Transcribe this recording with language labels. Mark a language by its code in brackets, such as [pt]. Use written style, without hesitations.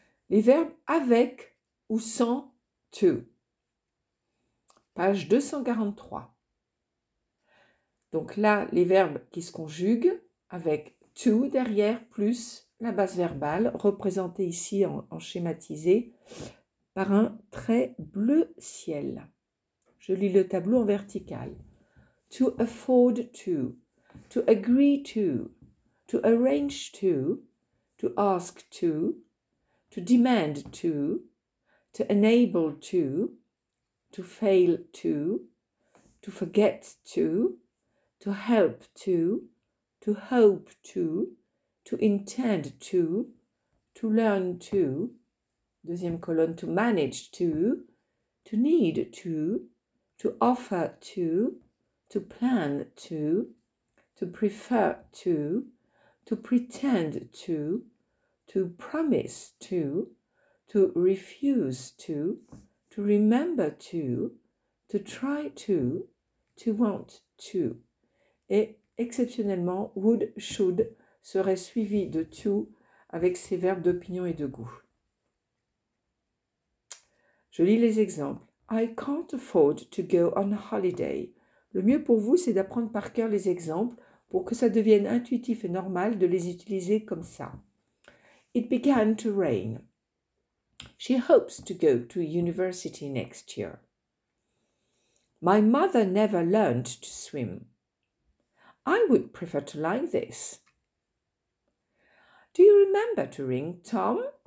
[fr] Les verbes avec ou sans to. Page 243. Donc là, les verbes qui se conjuguent avec to derrière plus la base verbale représentée ici en schématisé par un trait bleu ciel. Je lis le tableau en vertical. [en] To afford to agree to arrange to ask to demand to enable to fail to forget to help to hope to intend to learn to, [fr] deuxième colonne, [en] to manage to need to offer to plan to prefer to pretend to promise to refuse to remember to try to want to. [fr] Et exceptionnellement, would, should serait suivi de to avec ses verbes d'opinion et de goût. Je lis les exemples. [en] I can't afford to go on holiday. [fr] Le mieux pour vous, c'est d'apprendre par cœur les exemples pour que ça devienne intuitif et normal de les utiliser comme ça. [en] It began to rain. She hopes to go to university next year. My mother never learned to swim. I would prefer to like this. Do you remember to ring Tom?